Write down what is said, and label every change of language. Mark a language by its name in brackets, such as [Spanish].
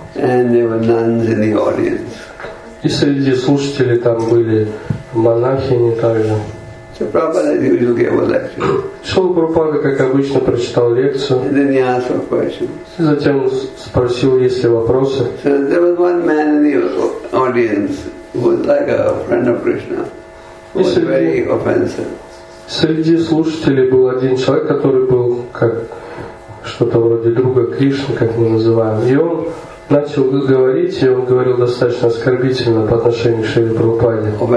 [English] And there were nuns in the audience. [Russian] И среди слушателей там были монахини также. [English] So Prabhupada usually gave a lecture. [Russian] Шрила Прабхупада, как обычно, прочитал лекцию. [English] And then he asked for questions. [Russian] И затем спросил, есть ли вопросы. [English] So there was one man in the audience who was like a friend of Krishna. He was very offensive. [Russian] Среди слушателей был один человек, который был как что-то вроде друга Кришны, как мы называем. И он начал говорить, и он говорил достаточно оскорбительно по отношению к Шриле Прабхупаде.